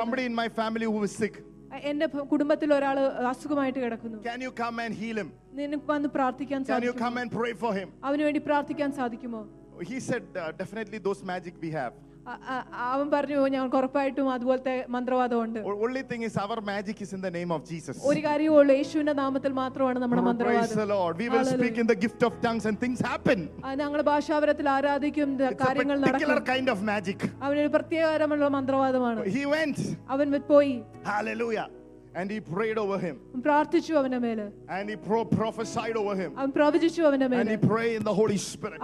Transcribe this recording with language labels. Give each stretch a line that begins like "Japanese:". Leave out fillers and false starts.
English: Somebody in my family who is sick.
Malayalam: എന്റെ കുടുംബത്തിൽ ഒരാൾ അസുഖമായിട്ട് കിടക്കുന്നു.
English: Can you come and heal him?
Malayalam: നിനക്ക് വന്ന് പ്രാർത്ഥിക്കാൻ സാധിക്കുമോ?
English: Can you come and pray for him?
Malayalam: അവനു വേണ്ടി പ്രാർത്ഥിക്കാൻ സാധിക്കുമോ?
English: He said definitely those magic we have.
Malayalam: അവൻ പറഞ്ഞു ഞാൻ ഉറപ്പായിട്ടും അതുപോലത്തെ മന്ത്രവാദം ഉണ്ട്.
English: Only thing is our magic is in the name of Jesus.
Malayalam: ഒരു കാര്യമേ ഉള്ളൂ യേശുവിന്റെ നാമത്തിൽ മാത്രമാണ് നമ്മുടെ മന്ത്രവാദം.
English: Praise the Lord. We will speak in the gift of tongues and things happen.
Malayalam: ഞങ്ങളെ ഭാഷാവരത്തിൽ ആരാധിക്കും കാര്യങ്ങൾ നടക്കും.
English: It's a particular kind of magic.
Malayalam: അവനൊരു പ്രത്യേകതരമുള്ള മന്ത്രവാദമാണ്.
English: He went.
Malayalam: അവൻ പോയി.
English: Hallelujah. And he prayed over him.
Malayalam: പ്രാർത്ഥിച്ചു അവനെ മേൽ.
English: And he prophesied over him.
Malayalam: അവൻ പ്രവചിച്ചു അവനെ മേൽ.
English: And he prayed in the Holy Spirit.